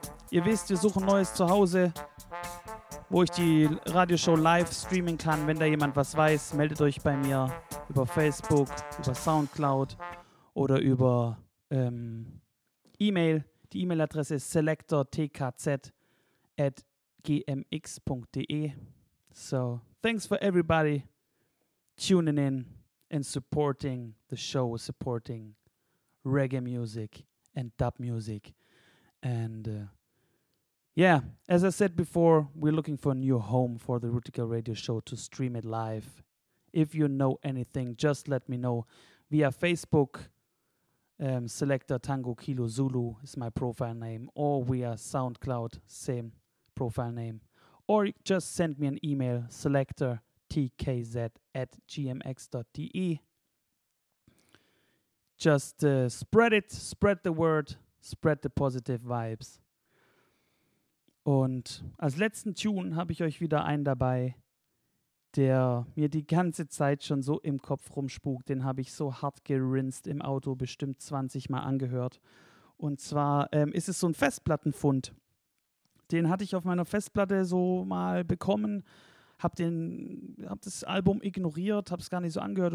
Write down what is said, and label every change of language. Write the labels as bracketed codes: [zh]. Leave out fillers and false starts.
[de] Ihr wisst, wir suchen neues Zuhause, wo ich die Radioshow live streamen kann. Wenn da jemand was weiß, meldet euch bei mir über Facebook, über Soundcloud oder über E-Mail. Die E-Mail-Adresse ist selector.tkz@gmx.de. [en] So, thanks for everybody tuning in and supporting the show, supporting reggae music and dub music. And yeah, as I said before, we're looking for a new home for the Rootikal Radio Show to stream it live. If you know anything, just let me know via Facebook. Selector Tango Kilo Zulu is my profile name, or via SoundCloud, same profile name. Or just send me an email, selectortkz@gmx.de. Just spread it, spread the word, spread the positive vibes. [de] Und als letzten Tune habe ich euch wieder einen dabei, der mir die ganze Zeit schon so im Kopf rumspukt. Den habe ich so hart gerinst im Auto, bestimmt 20 Mal angehört. Und zwar ist es so ein Festplattenfund. Den hatte ich auf meiner Festplatte so mal bekommen, hab das Album ignoriert, habe es gar nicht so angehört.